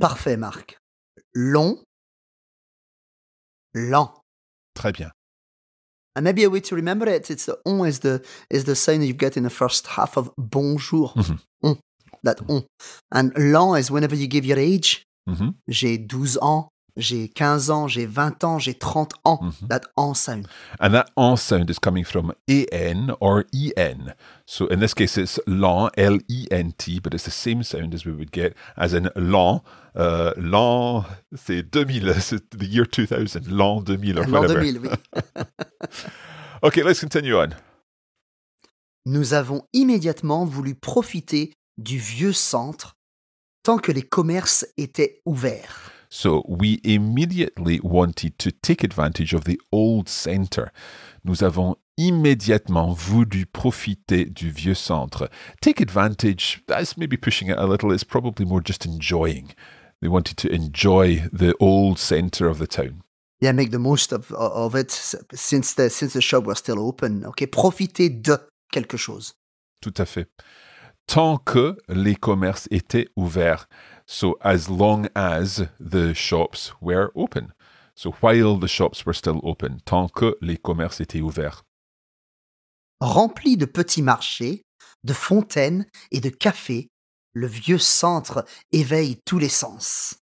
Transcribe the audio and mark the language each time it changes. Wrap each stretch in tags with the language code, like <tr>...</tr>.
<fr>Parfait, Marc. Long. Lent. Très bien.</fr> <en>And maybe a way to remember it, it's the on is the sound you get in the first half of bonjour. Mm-hmm. On. And lent is whenever you give your age. Mm-hmm.</en> <fr>J'ai 12 ans, j'ai 15 ans, j'ai 20 ans, j'ai 30 ans.</fr> <en>Mm-hmm. That on sound. And that on sound is coming from an or en. So in this case, it's lent, L-E-N-T, but it's the same sound as we would get as in lent.</en> <fr>L'an, c'est 2000, c'est</fr> <en>the year 2000,</en> <fr>l'an 2000</fr> <en>or whatever.</en> <fr>L'an 2000, oui.</fr> <en>Okay, let's continue on.</en> <fr>Nous avons immédiatement voulu profiter du vieux centre tant que les commerces étaient ouverts.</fr> <en>So we immediately wanted to take advantage of the old center.</en> <fr>Nous avons immédiatement voulu profiter du vieux centre.</fr> <en>Take advantage, that's maybe pushing it a little, it's probably more just enjoying. They wanted to enjoy the old center of the town. Yeah, make the most of it since the shop was still open.</en> <fr>Okay, profiter de quelque chose. Tout à fait. Tant que les commerces étaient ouverts.</fr> <en>So as long as the shops were open. So while the shops were still open.</en> <fr>Tant que les commerces étaient ouverts. Rempli de petits marchés, de fontaines et de cafés, le vieux centre éveille tous les sens.</fr>